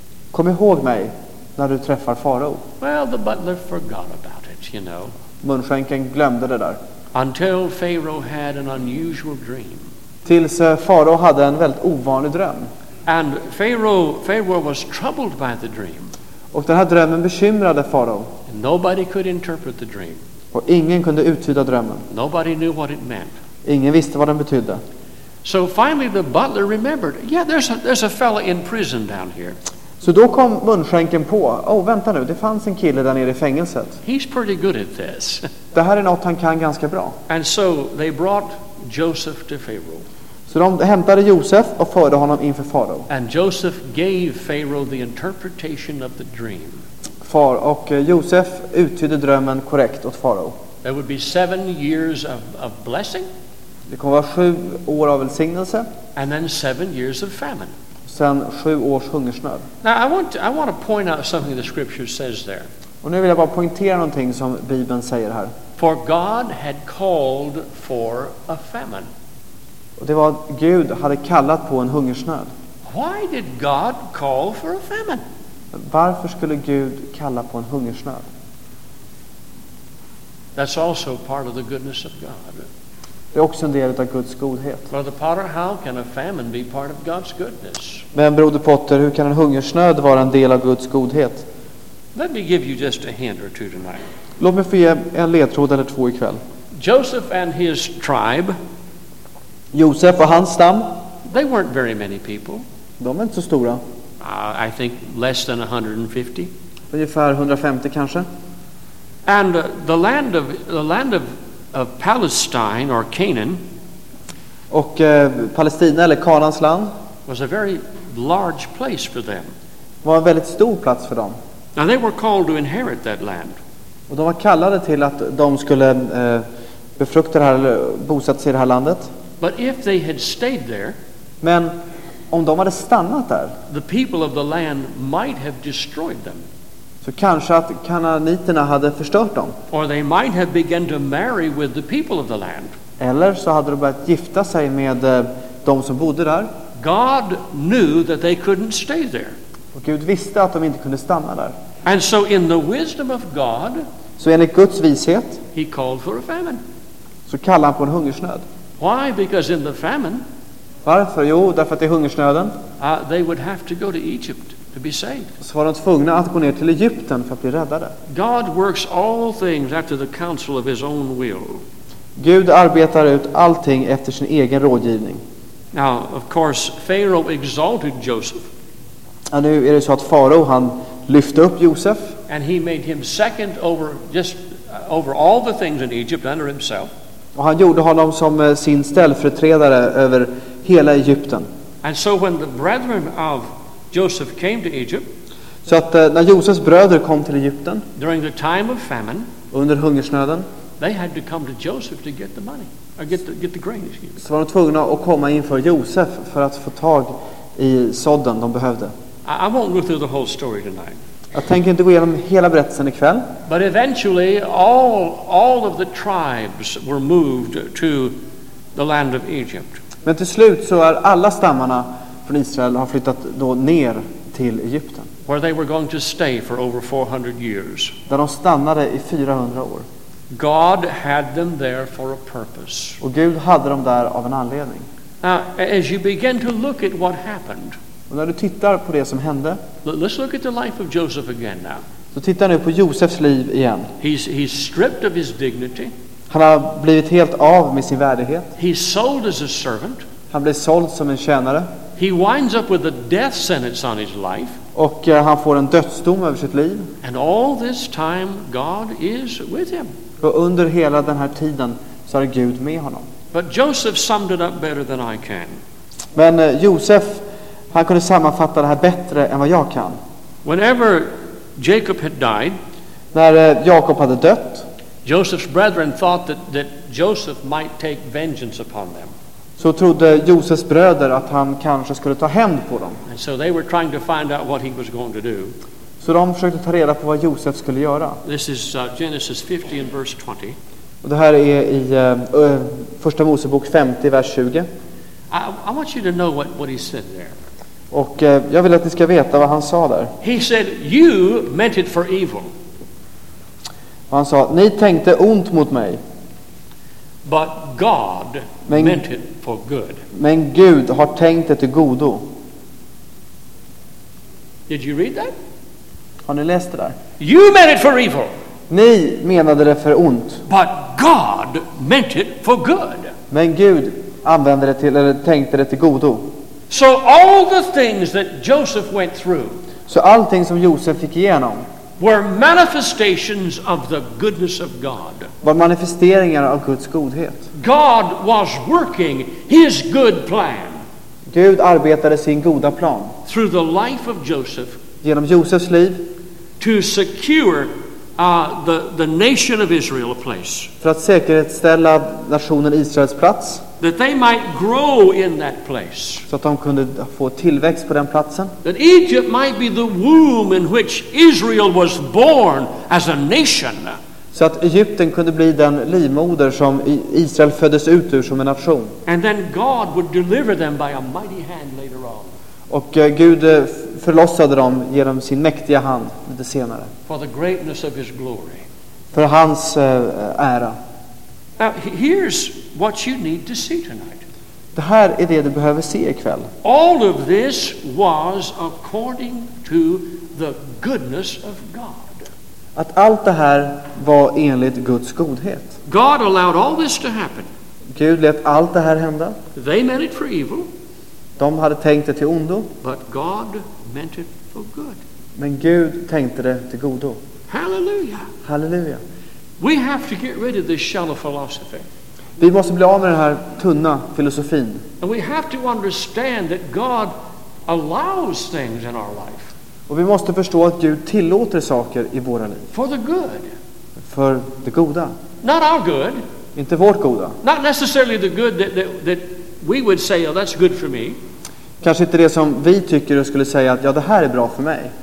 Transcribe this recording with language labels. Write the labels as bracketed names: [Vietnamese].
[Swedish] Kom ihåg mig när du träffar farao. [English] Well, the butler forgot about it, you know. [Swedish] Munskänken glömde det där. [English] Until Pharaoh had an unusual dream. [Swedish] Tills farao hade en väldigt ovanlig dröm. [English] And Pharaoh was troubled by the dream. [Swedish] Och den här drömmen bekymrade farao. [English] Nobody could interpret the dream. [Swedish] Och ingen kunde uttyda drömmen. [English] Nobody knew what it meant. [Swedish] Ingen visste vad den betydde. [English] So finally the butler remembered. Yeah, there's a fella in prison down here. [Swedish] Så då kom munskänken på. Oh, vänta nu, det fanns en kille där nere i fängelset. [English] He's pretty good at this. [Swedish] Det här är något han kan ganska bra. [English] And so they brought Joseph to Pharaoh. [Swedish] Så de hämtade Josef och förde honom inför farao. [English] And Joseph gave Pharaoh the interpretation of the dream. [Swedish] Far och Josef uttydde drömmen korrekt åt farao. [English] There would be 7 years of blessing. [Swedish] Det kommer vara 7 år av välsignelse. [English] And then 7 years of famine. [Swedish] Sen 7 års hungersnöd. [English] Now I want to point out something the scripture says there. [Swedish] Och nu vill jag bara poängtera någonting som Bibeln säger här. [English] For God had called for a famine. [Swedish] Och det var att Gud hade kallat på en hungersnöd. [English] Why did God call for a famine? [Swedish] Varför skulle Gud kalla på en hungersnöd? [English] That's also part of the goodness of God. [Swedish] Det är också en del av Guds godhet. [English] Brother Potter, how can a famine be part of God's goodness? [Swedish] Men Broder Potter, hur kan en hungersnöd vara en del av Guds godhet? [English] Let me give you just a hint or two tonight. [Swedish] Låt mig få ge en ledtråd eller två ikväll. [English] Joseph and his tribe. [Swedish] Josef och hans stam. [English] They weren't very many people. [Swedish] De var inte så stora. [English] I think less than 150. [Swedish] Ungefär 150 kanske. [English] And the land of Palestine or Canaan. [Swedish] Och Palestina eller Kanaans land. [English] Was a very large place for them. [Swedish] Var en väldigt stor plats för dem. [English] And they were called to inherit that land. [Swedish] Och de var kallade till att de skulle befrukta det här eller bosätta sig i det här landet. [English] But if they had stayed there. [Swedish] Men om de hade stannat där. [English] The people of the land might have destroyed them. [Swedish] Så kanske att kananiterna hade förstört dem. [English] Or they might have begun to marry with the people of the land. [Swedish] Eller så hade de börjat gifta sig med de som bodde där. [English] God knew that they couldn't stay there. [Swedish] Och Gud visste att de inte kunde stanna där. [English] And so in the wisdom of God, [Swedish] så enligt Guds vishet, [English] he called for a famine. [Swedish] Så kallade han på en hungersnöd. [English] Why? Because in the famine, [Swedish] varför? Jo, därför att det är hungersnöden. [English] They would have to go to Egypt to be saved. [Swedish] Så var de tvungna att gå ner till Egypten för att bli räddade. [English] God works all things after the counsel of his own will. [Swedish] Gud arbetar ut allting efter sin egen rådgivning. [English] Now, of course, Pharaoh exalted Joseph. [Swedish] Ja, nu är det så att farao han lyfte upp Josef. [English] And he made him second over just over all the things in Egypt under himself. [Swedish] Och han gjorde honom som sin ställföreträdare över hela Egypten. [English] And so when the brethren of Joseph came to Egypt, [Swedish] så att när Josefs bröder kom till Egypten, [English] during the time of famine, [Swedish] under hungersnöden, [English] they had to come to Joseph to get the money, or get the grain, excuse [Swedish] me. Så var de tvungna att komma inför Josef för att få tag i sådden de behövde. [English] I won't go through the whole story tonight. [Swedish] Jag tänker inte gå igenom hela berättelsen ikväll. [English] But eventually all of the tribes were moved to the land of Egypt. [Swedish] Men till slut så är alla stammarna från Israel har flyttat då ner till Egypten. [English] Where they were going to stay for over 400 years. [Swedish] Där de stannade i 400 år. [English] God had them there for a purpose. [Swedish] Och Gud hade dem där av en anledning. [English] Now, as you begin to look at what happened. [Swedish] Och när du tittar på det som hände. [English] Let's look at the life of Joseph again now. [Swedish] Så titta nu på Josefs liv igen. [English] He's stripped of his dignity. [Swedish] Han har blivit helt av med sin värdighet. [English] He's sold as a servant. [Swedish] Han blir såld som en tjänare. [English] He winds up with a death sentence on his life. [Swedish] Och han får en dödsdom över sitt liv. [English] And all this time God is with him. [Swedish] Och under hela den här tiden så är Gud med honom. [English] But Joseph summed it up better than I can. [Swedish] Men Josef, han kunde sammanfatta det här bättre än vad jag kan. [English] Whenever Jacob had died, [Swedish] när Jakob hade dött, [English] Joseph's brethren thought that Joseph might take vengeance upon them. [Swedish] Så trodde Josefs bröder att han kanske skulle ta hämnd på dem. [English] And so they were trying to find out what he was going to do. [Swedish] Så de försökte ta reda på vad Josef skulle göra. [English] This is Genesis 50 and verse 20. [Swedish] Och det här är i första Mosebok 50 vers 20. [English] I want you to know what he said there. [Swedish] Och jag vill att ni ska veta vad han sa där. [English] He said, "You meant it for evil." [Swedish] Och han sa, ni tänkte ont mot mig. [English] But God meant it for good. [Swedish] Men Gud har tänkt det till godo. [English] Did you read that? [Swedish] Har ni läst det där? [English] You meant it for evil. [Swedish] Ni menade det för ont. [English] But God meant it for good. [Swedish] Men Gud använde det till, eller tänkte det till godo. [English] So all the things that Joseph went through. [Swedish] Så allting som Josef fick igenom. [English] Were manifestations of the goodness of God. [Swedish] Var manifesteringar av Guds godhet. [English] God was working his good plan. [Swedish] Gud arbetade sin goda plan. [English] Through the life of Joseph. [Swedish] Genom Josefs liv. [English] To secure the nation of Israel a place. [Swedish] För att säkerställa nationen Israels plats. [English] That they might grow in that place. [Swedish] Så att de kunde få tillväxt på den platsen. [English] That Egypt might be the womb in which Israel was born as a nation. [Swedish] Så att Egypten kunde bli den livmoder som Israel föddes ut ur som en nation. [English] And then God would deliver them by a mighty hand later on. [Swedish] Och Gud förlossade dem genom sin mäktiga hand lite senare. [English] For the greatness of his glory. [Swedish] För hans ära. [English] Now, here's what you need to see tonight. [Swedish] Det här är det du behöver se ikväll. [English] All of this was according to the goodness of God. [Swedish] Att allt det här var enligt Guds godhet. [English] God allowed all this to happen. [Swedish] Gud lät allt det här hända. [English] They meant it for evil. [Swedish] De hade tänkt det till ondo. [English] But God meant it for good. [Swedish] Men Gud tänkte det till godo. [English] Halleluja. [Swedish] Halleluja. [English] We have to get rid of this shallow philosophy. [Swedish] Vi måste bli av med den här tunna filosofin. [English] And we have to understand that God allows things in our life. [Swedish] Och vi måste förstå att Gud tillåter saker i våra liv. [English] For the good. [Swedish] För det goda. [English] Not our good. [Swedish] Inte vårt goda. [English] Not necessarily the good that we would say, oh, that's good for me. [Swedish] Kanske inte det som vi tycker och skulle säga att ja, det här är bra för mig.